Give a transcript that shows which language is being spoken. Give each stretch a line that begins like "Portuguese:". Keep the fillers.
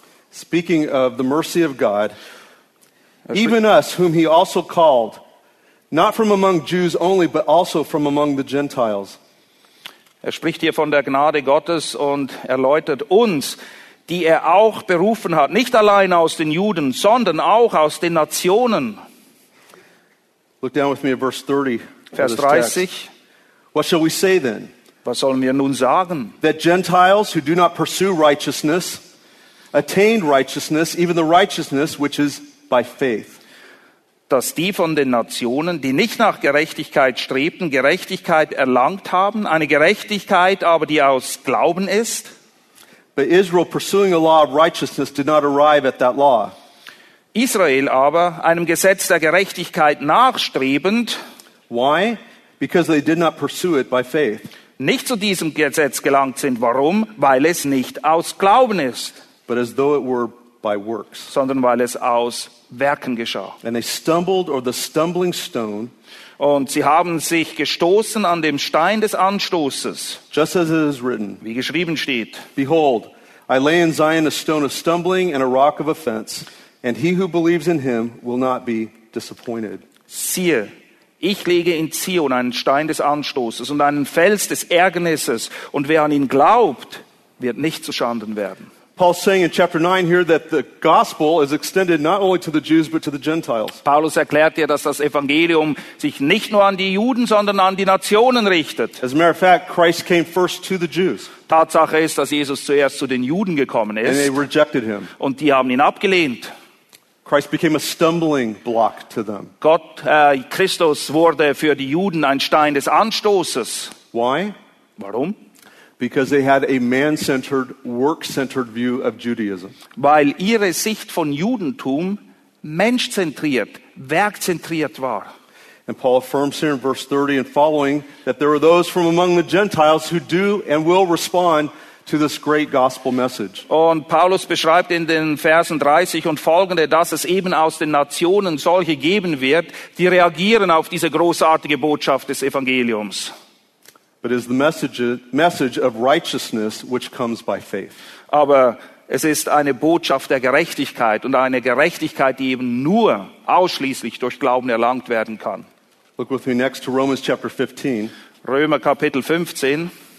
English: Speaking of the mercy of God, even us whom he also called not from among Jews only but also from among the Gentiles.
German: Er spricht hier von der Gnade Gottes und erläutert uns die er auch berufen hat, nicht allein aus den Juden, sondern auch aus den Nationen.
English: Look down with me at verse 30.
German: Vers 30.
English: What shall we say then?
German: Was sollen wir nun sagen?
English: That Gentiles who do not pursue righteousness attain righteousness, even the righteousness which is by faith.
German: Dass die von den Nationen, die nicht nach Gerechtigkeit strebten, Gerechtigkeit erlangt haben, eine Gerechtigkeit aber, die aus Glauben ist.
English: But Israel pursuing a law of righteousness did not arrive at that law.
German: Israel aber einem Gesetz der Gerechtigkeit nachstrebend
English: why because they did not pursue it by faith.
German: Nicht zu diesem Gesetz gelangt sind warum weil es nicht aus Glauben ist
English: but as though it were by works.
German: sondern weil es aus Werken geschah.
English: And they stumbled or the stumbling stone
German: Und sie haben sich gestoßen an dem Stein des Anstoßes.
English: Written,
German: wie geschrieben steht.
English: Behold, I lay in Zion a stone of stumbling and a rock of offense, and he who believes in him will not be disappointed.
German: Siehe, ich lege in Zion einen Stein des Anstoßes und einen Fels des Ärgernisses, und wer an ihn glaubt, wird nicht zu Schanden werden.
English: Paul's saying in chapter 9 here
German: Paulus erklärt ja, dass das Evangelium sich nicht nur an die Juden, sondern an die Nationen richtet.
English: As a matter of fact, Christ came first to the Jews.
German: Tatsache ist, dass Jesus zuerst zu den Juden gekommen ist.
English: And they rejected him.
German: Und die haben ihn abgelehnt.
English: Christ became a stumbling block to them.
German: Gott äh, Christus wurde für die Juden ein Stein des Anstoßes.
English: Why?
German: Warum?
English: Because they had a -centered, -centered view of Judaism.
German: Weil ihre Sicht von Judentum menschzentriert, werkzentriert war.
English: And Paul affirms here in verse 30 and following that there are those from among the Gentiles who do and will respond to this great gospel message.
German: Und Paulus beschreibt in den Versen 30 und folgende, dass es eben aus den Nationen solche geben wird, die reagieren auf diese großartige Botschaft des Evangeliums.
English: but is the message, message of righteousness which comes by faith. But it is a message of righteousness
German: Gerechtigkeit und eine Gerechtigkeit, die eben nur ausschließlich durch Glauben
English: Look with me next to Romans chapter 15.
German: Römer Kapitel 15.